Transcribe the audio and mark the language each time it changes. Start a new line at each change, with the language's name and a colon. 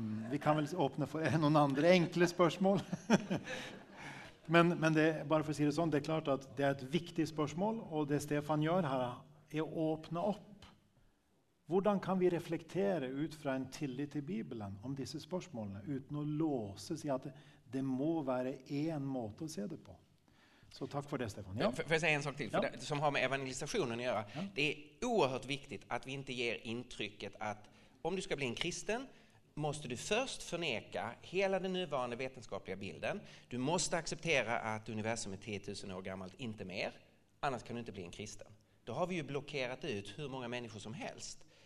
Swedish: Vi kan väl öppna för en och andra enkla spörsmål. Men det, bara för att säga det sånt, det är klart att det är ett viktigt spörsmål och det Stefan gör här är att öppna upp.
Norwegian: Hvordan kan vi reflektere ut fra en tillit til Bibelen om disse spørsmålene uten å låse seg at det må være en måte å se det på? Så takk for det, Stefan. Ja. Får jeg si en sak til, for det, som har med evangelisasjonen å gjøre. Ja.
Swedish: Det er oerhört viktigt at vi ikke ger intrycket at om du skal bli en kristen måste du först förneka hela den nuvarande vetenskapliga bilden. Du måste acceptera att universum är 10 000 år gammalt, inte mer. Annars kan du inte bli en kristen. Då har vi ju blockerat ut hur många människor som helst.